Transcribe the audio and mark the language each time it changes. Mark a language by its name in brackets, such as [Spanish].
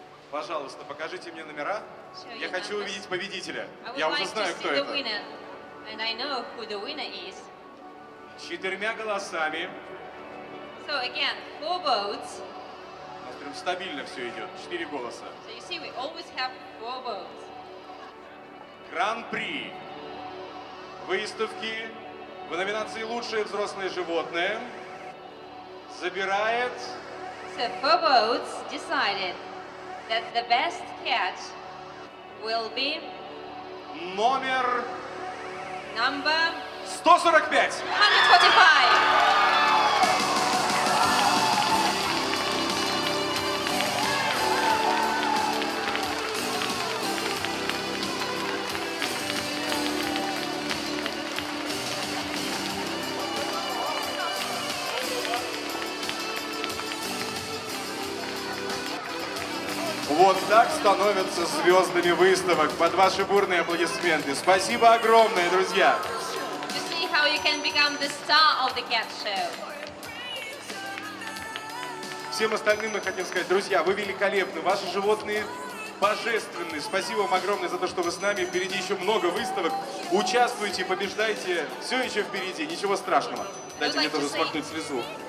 [Russian] Пожалуйста, покажите мне номера. [English] Show [Russian] я хочу [English] numbers. [Russian] Увидеть победителя. Я уже знаю, кто это. [English] And I know who the winner is. [Russian] Четырьмя голосами. [English] So, again, four votes. [Russian] У нас прям стабильно все идет, четыре голоса. [English] So, you see, we always have four votes. [Russian] Гран-при выставки в номинации «Лучшее взрослое животное» забирает... [English] So four votes decided that the best cat will be... [Russian] Номер... [English] Number... [Russian] 145! [English] 145! [Russian] Вот так становятся звездами выставок. Под ваши бурные аплодисменты. Спасибо огромное, друзья. [English] You see how you can become the star of the cat show. [Russian] Всем остальным мы хотим сказать, друзья, вы великолепны. Ваши животные божественны. Спасибо вам огромное за то, что вы с нами. Впереди еще много выставок. Участвуйте, побеждайте. Все еще впереди, ничего страшного. Дайте мне тоже смахнуть слезу.